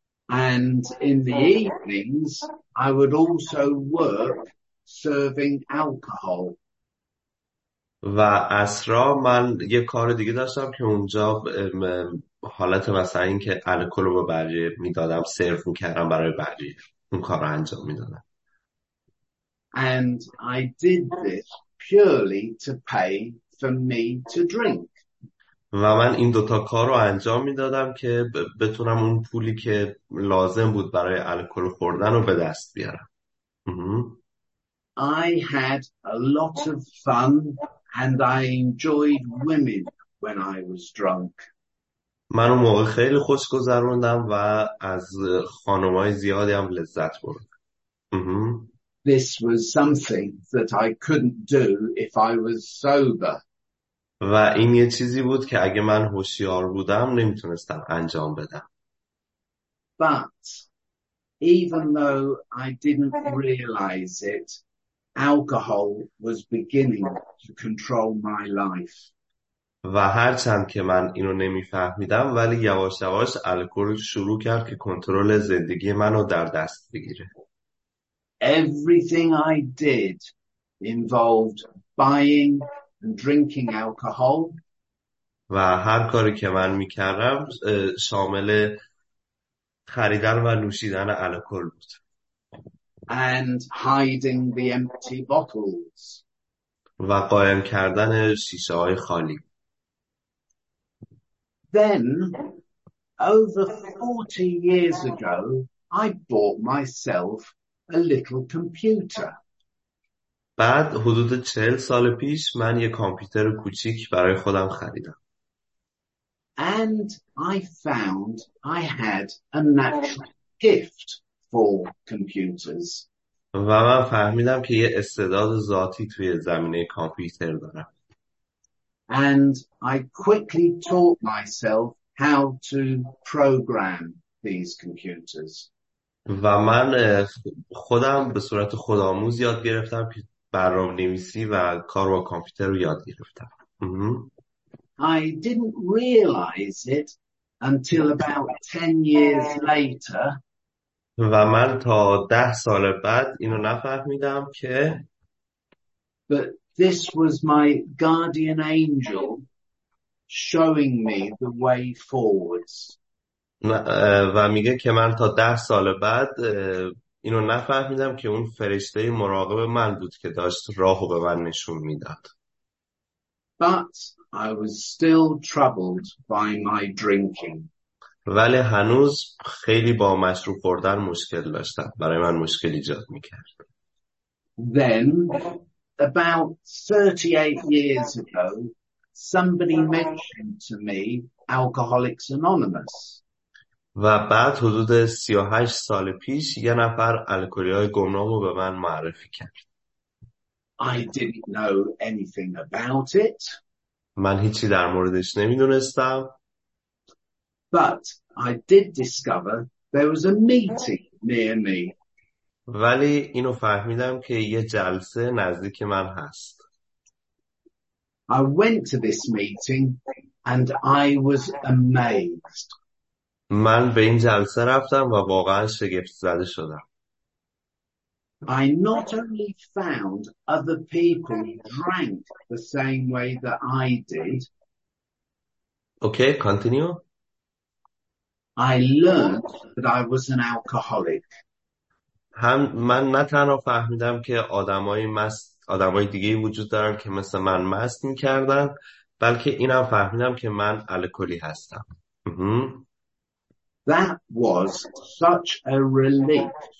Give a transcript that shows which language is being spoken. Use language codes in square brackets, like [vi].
[en] And in the evenings, I would also work serving alcohol. [fa] و عصرا من یه کار دیگه داشتم که اونجا حالت مثلا این که الکل رو به بقیه میدادم سرو میکردم برای بقیه اون کار رو انجام میدادم. [en] And I did this purely to pay for me to drink. [fa] و من این دوتا کار رو انجام میدادم که بتونم اون پولی که لازم بود برای الکل خوردن رو به دست بیارم. [en] I had a lot of fun and I enjoyed women when I was drunk. [fa] من اون موقع خیلی خوش گذروندم و از خانمهای زیادی هم لذت بردم. [en] This was something that I couldn't do if I was sober. [fa] و این یه چیزی بود که اگه من هوشیار بودم نمیتونستم انجام بدم. [en] But even though I didn't realize it, alcohol was beginning to control my life. [fa] و هرچند که من اینو نمیفهمیدم ولی یواش یواش الکل شروع کرد که کنترل زندگی منو در دست بگیره. [en] Everything I did involved buying and drinking alcohol. [fa] و هر کاری که من میکردم شامل خریدن و نوشیدن الکل بود. [en] And hiding the empty bottles. [fa] و قایم کردن شیشه های خالی. [en] Then, over 40 years ago, I bought myself a little computer. [fa] بعد حدود 40 سال پیش من یه کامپیوتر کوچیک برای خودم خریدم. [en] And I found I had a natural gift for computers. [fa] و من فهمیدم که یه استعداد ذاتی توی زمینه کامپیوتر دارم. [en] And I quickly taught myself how to program these computers. [fa] و من خودم به صورت خودآموز یاد گرفتم که برنامه‌نویسی و کار با کامپیوتر رو یاد گرفتم. [en] I didn't realize it until about 10 years later. [fa] و من تا 10 سال بعد اینو نفهمیدم که [en] But this was my guardian angel showing me the way forwards. [fa] و میگه که من تا 10 سال بعد اینو نفهمیدم که اون فرشته مراقب من بود که داشت راهو به من نشون میداد. [en] But I was still troubled by my drinking. [fa] ولی هنوز خیلی با مشروب خوردن مشکل داشتم. برای من مشکل ایجاد میکرد. [en] Then about 38 years ago somebody mentioned to me Alcoholics Anonymous. [fa] و بعد حدود 38 سال پیش یه نفر الکلی‌های گمنام رو به من معرفی کرد. [en] I didn't know anything about it. [fa] من هیچی در موردش نمی‌دونستم. [en] But I did discover there was a meeting near me. [fa] ولی اینو فهمیدم که یه جلسه نزدیک من هست. [en] I went to this meeting and I was amazed. [fa] من به این جلسه رفتم و واقعا شگفت زده شدم. [en] I not only found other people drank the same way that I did. Okay, continue. I learned that I was an alcoholic. [fa] هم من نه تنها فهمیدم که آدمای مست آدمای دیگه وجود دارن که مثل من مست میکردن، بلکه اینم فهمیدم که من الکلی هستم. [en] That was such a relief.